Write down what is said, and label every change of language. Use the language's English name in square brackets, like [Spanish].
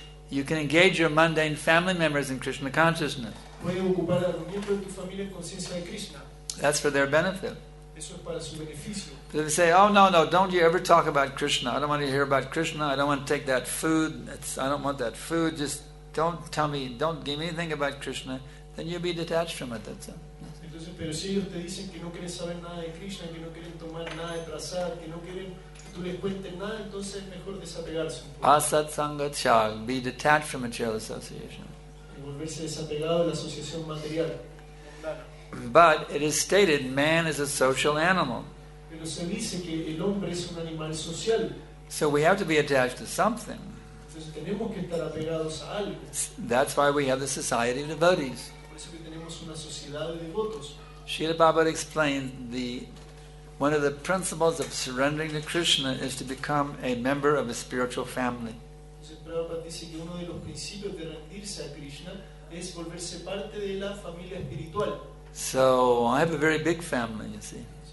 [English] You can engage your mundane family members in Krishna consciousness. [Spanish] Puedes ocupar a los miembros de tu familia en conciencia de Krishna. [English] That's for their benefit. [Spanish] Eso es para su beneficio. [English] They say, oh no, don't you ever talk about Krishna. I don't want to hear about Krishna. I don't want to take that food. I don't want that food. Just don't tell me, don't give me anything about Krishna. Then you'll be detached from it. That's it. [Spanish] Entonces, pero si ellos te dicen que no quieren saber nada de Krishna, que no quieren tomar nada de prasad, que no quieren que tú les cuentes nada, entonces es mejor desapegarse un poco. [Sanskrit] Asat sangat chag. [English] Be detached from material association. [Spanish] Y volverse desapegado de la asociación material. [English] But it is stated man is a social animal. [Spanish] Pero se dice que el hombre es un animal social. [English] So we have to be attached to something. [Spanish] Entonces tenemos que estar apegados a algo. [English] That's why we have the Society of Devotees. [Spanish] Por eso que tenemos una sociedad de devotos. [English] Srila Prabhupada explained one of the principles of surrendering to Krishna is to become a member of a spiritual family. [Spanish] Entonces Prabhupada dice que uno de los principios de rendirse a Krishna es volverse parte de la familia espiritual. [English] So I have a very big family, you see.